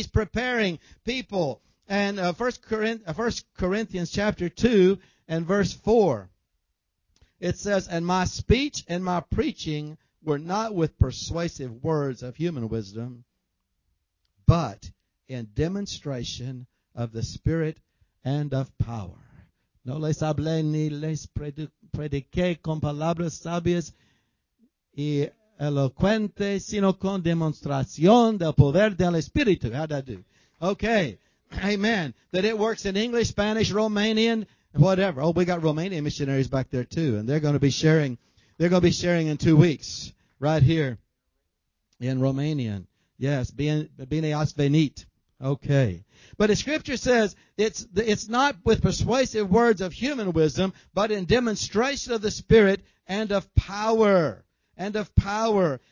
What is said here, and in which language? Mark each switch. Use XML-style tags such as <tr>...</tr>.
<en>He's preparing people. And 1 Corinthians chapter 2 and verse 4. It says, and my speech and my preaching were not with persuasive words of human wisdom, but in demonstration of the Spirit and of power.</en> <es>No les hablé ni les prediqué con palabras sabias y elocuentes, sino con demostración del poder del Espíritu.</es> <en>How'd I do? Okay. Amen. That it works in English, Spanish, Romanian, whatever. Oh, we got Romanian missionaries back there too, and they're going to be sharing. They're going to be sharing in 2 weeks, right here, in Romanian. Yes,</en> <ro>bine ați venit.</ro> <en>Okay, but the Scripture says it's not with persuasive words of human wisdom, but in demonstration of the Spirit and of power, and of power.</en>